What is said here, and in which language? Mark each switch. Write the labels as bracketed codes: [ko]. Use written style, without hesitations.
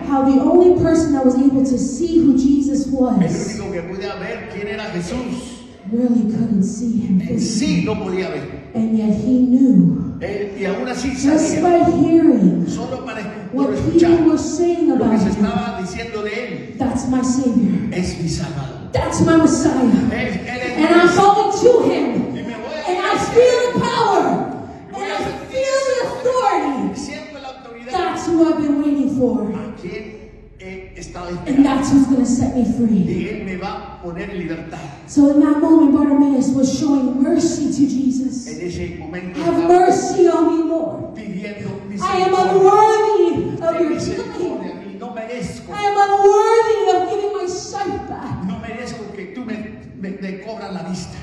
[en] How the only person that was able to see who Jesus was. [es] El único que podía ver quién era Jesús. [en] Really couldn't see him. [es] En sí no podía ver. [en] And yet he knew. [es] Y aún así [en] just by hearing [es] solo para escuchar [en] what Peter was saying about [es] lo que se estaba diciendo de él. [en] That's my Savior. [es] Es mi Salvador. [en] That's my Messiah. [es] Él [en] and I'm going to him. And [es] a [en] I feel the power. And I feel the authority. That's who I've been waiting for. And that's who's going to set me free. [es] Y él me va a poner libertad. [en] So in that moment, Bartimaeus was showing mercy to Jesus. [es] En ese momento, [en] have mercy on me, Lord. [es] Pidiendo misericordia. [en] I am unworthy of your healing. [es] No merezco. [en] I am unworthy of giving my sight back. [es] No merezco que tú me cobras la vista.